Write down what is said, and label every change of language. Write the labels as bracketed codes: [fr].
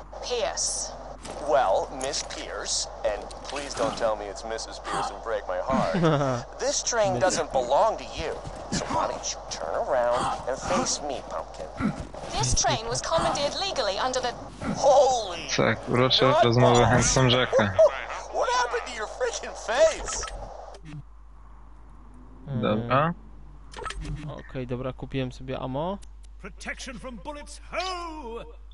[en] Pierce. Well, Miss Pierce, and please don't tell me it's Mrs. Pierce and break my heart. This train doesn't belong to you. So why don't you turn around and face me, pumpkin? This train was commandeered legally under the holy. [pl] Tak, proszę o rozmowę Handsome Jacka. [en] What happened to your freaking face? [pl] Dobra. Okej, dobra, kupiłem sobie ammo. [en] Protection from bullets, ho!